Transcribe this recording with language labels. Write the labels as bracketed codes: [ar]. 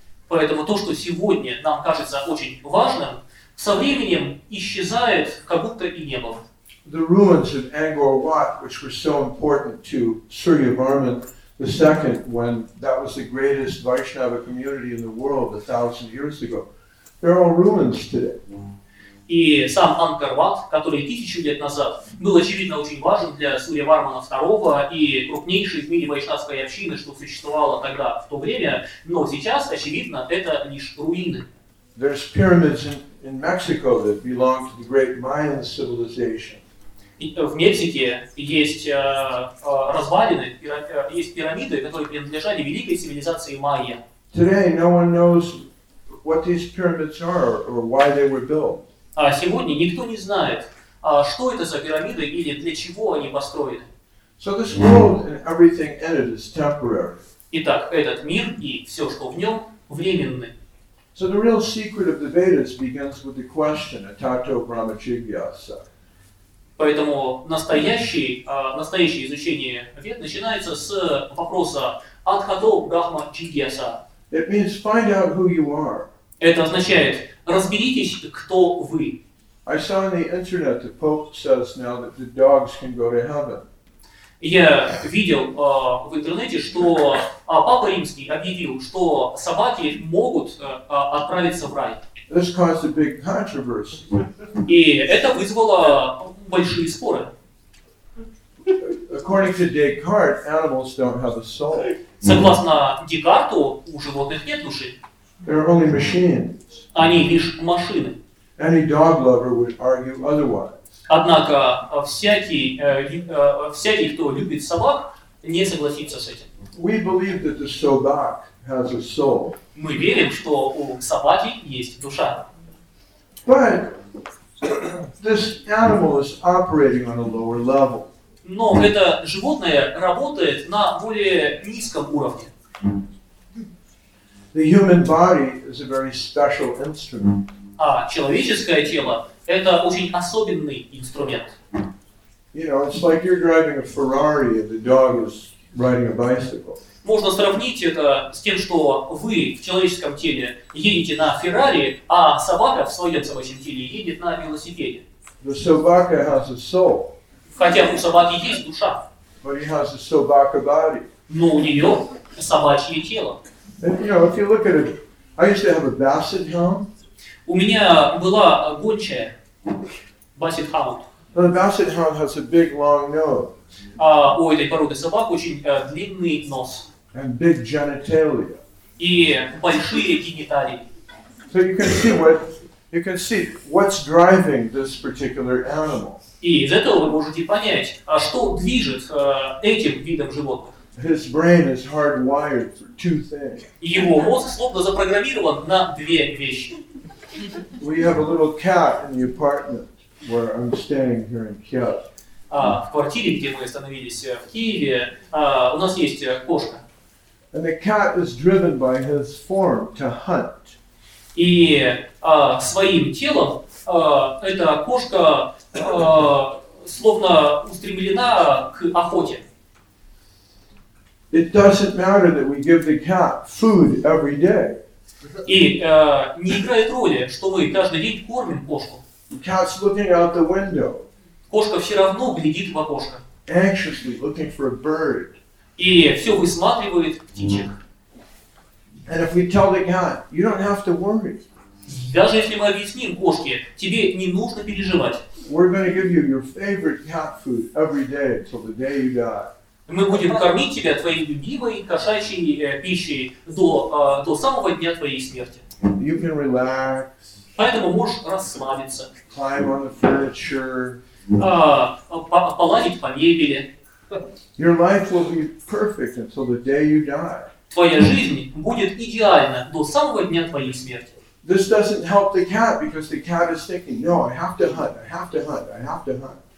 [ru] Поэтому то, что сегодня нам кажется очень важным, со временем исчезает, как будто и не было. [en] The ruins of Angkor Wat, which were so important to Suryavarman II, when that was the greatest Vaishnava community in the world 1,000 years ago, they're all ruins today. [ru] И сам Ангкор Ват, который тысячу лет назад был очевидно очень важен для Сурьявармана II и крупнейшей в мире вайшнавской общины, что существовало тогда в то время, но сейчас очевидно это лишь руины. [en] There's pyramids in Mexico that belong to the great Mayan civilization. [ru] В Мексике есть развалины, есть пирамиды, которые принадлежали великой цивилизации майя. [en] Today no one knows what these pyramids are or why they were built. [ru] А сегодня никто не знает, что это за пирамиды или для чего они построены. [en] So this world and everything in it is temporary. [ru] Итак, этот мир и все, что в нем, временны. [en] So the real secret of the Vedas begins with the question, [sa] Atato Brahma Jivyasa. [ru] Поэтому настоящее изучение Вед начинается с вопроса [sa] «Атхадо Брахма Чигьяса». [en] It means find out who you are. [ru] Это означает «разберитесь, кто вы». [en] I saw on the internet the Pope says now that the dogs can go to heaven. [ru] Я видел в интернете, что Папа Римский объявил, что собаки могут отправиться в рай. [en] This caused a big controversy. [ru] И это вызвало большие споры. [en] According to Descartes, animals don't have a soul. [ru] Согласно Декарту, у животных нет души. [en] They're only machines. [ru] Они лишь машины. [en] Any dog lover would argue otherwise. [ru] Однако всякий, кто любит собак, не согласится с этим. [en] We believe that the sobak has a soul. [ru] Мы верим, что у собаки есть душа. [en] But this animal is operating on a lower level. [ru] Но это животное работает на более низком уровне. [en] The human body is a very special instrument. [ru] А человеческое тело – это очень особенный инструмент. [en] You know, it's like you're driving a Ferrari and the dog is riding a bicycle. [ru] Можно сравнить это с тем, что вы в человеческом теле едете на Феррари, а собака в своем собачьем теле едет на велосипеде. [en] The собака has a soul. [ru] Хотя у собаки есть душа. [en] But he has a собака body. [ru] Но у нее собачье тело. [en] And, you know, if you look at it, I used to have a basset hound. [ru] У меня была гончая, basset hound. [en] The basset hound has a big long nose. [ru] У этой породы собак очень длинный нос. [en] And big genitalia. [ru] И большие гениталии. [en] So you can see what's driving this particular animal. [ru] И из этого вы можете понять, а что движет этим видом животных. [en] His brain is hardwired for two things. [ru] Его мозг словно запрограммирован на две вещи. [en] We have a little cat in the apartment where I'm staying here in Kiev. [ru] В квартире, где мы остановились в Киеве, у нас есть кошка. [en] And the cat is driven by his form to hunt. [ru] И своим телом эта кошка словно устремлена к охоте. [en] It doesn't matter that we give the cat food every day. [ru] И не играет роли, что мы каждый день кормим кошку. [en] The cat's looking out the window. [ru] Кошка все равно глядит в окошко. [en] Anxiously looking for a bird. [ru] И все высматривает птичек. [en] And if we tell the cat, you don't have to worry. [ru] Даже если мы объясним кошке, тебе не нужно переживать. [en] We're going to give you your favorite cat food every day until the day you die. [ru] Мы будем кормить тебя твоей любимой кошачьей пищей до самого дня твоей смерти. [en] You can relax. [ru] Поэтому можешь расслабиться. [en] Climb on the furniture. [ru] Поладить по мебели. [en] Your life will be perfect until the day you die. [ru] Твоя жизнь будет идеальна до самого дня твоей смерти. [en] This doesn't help the cat because the cat is thinking, no, I have to hunt, I have to hunt, I have to hunt.